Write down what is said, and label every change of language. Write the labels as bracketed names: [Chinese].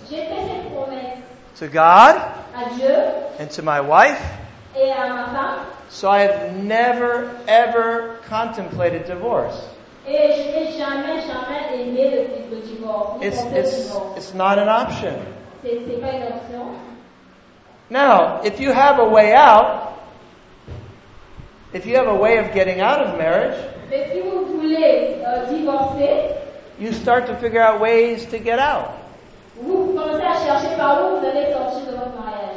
[French] J'ai fait cette promesse. [English] To God. [French] À Dieu. [English] And to my wife. [French] Et à ma femme. [English] So I have never, ever contemplated divorce. [French] Et je n'ai jamais, jamais aimé le type de divorce. [English] It's not an option. [French] C'est pas une option. [English] Now, if you have a way out, if you have a way of getting out of marriage, [French] mais si vous voulez, divorcer, [English] you start to figure out ways to get out. [French] Vous commencez à chercher par où vous allez sortir de votre mariage.